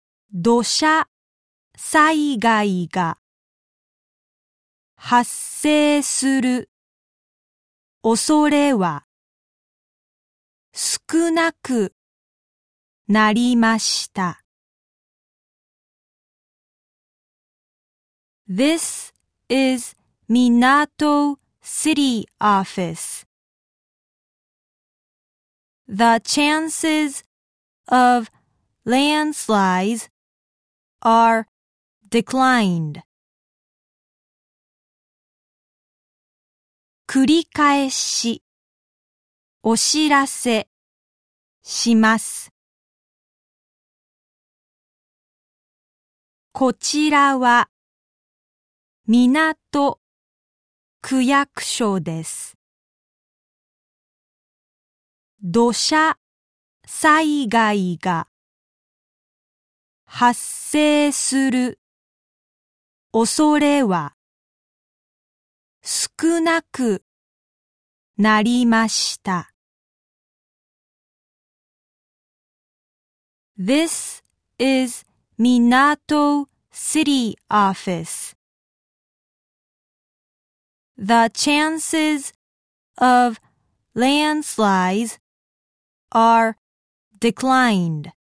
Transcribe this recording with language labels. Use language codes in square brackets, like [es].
[ja] 土砂災害が発生する恐れは少なくなりました。 [en] This is Minato City Office. The chances of landslides are declined. [ja] 繰り返しお知らせします。こちらは港区役所です。土砂災害が発生する恐れは少なくなりました。 [en] This is Minato City Office. The chances of landslides are declined.